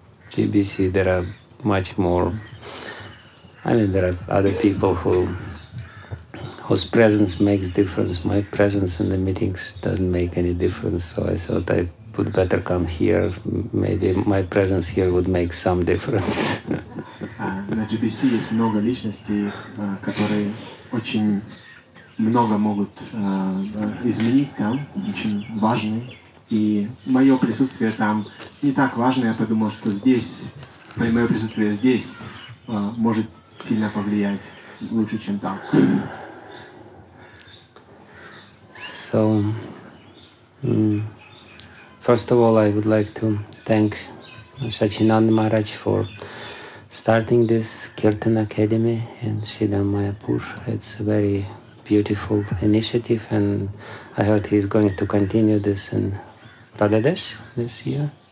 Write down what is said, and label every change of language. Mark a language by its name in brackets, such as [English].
[English] GBC, there are much more. I mean, there are other people whose presence makes difference. My presence in the meetings doesn't make any difference. So I thought I would better come here. Maybe my presence here would make some difference. [Russian] На GBC есть много личностей, которые очень много могут изменить там, очень важные. И мое присутствие там не так важно. Я подумал, что здесь, мое присутствие здесь может сильно повлиять лучше, чем там. [English] So, first of all, I would like to thank Sachinanda Maharaj for starting this Kirtan Academy in Siddha Mayapur. It's a very beautiful initiative, and I heard he's going to continue this in Bangladesh this year.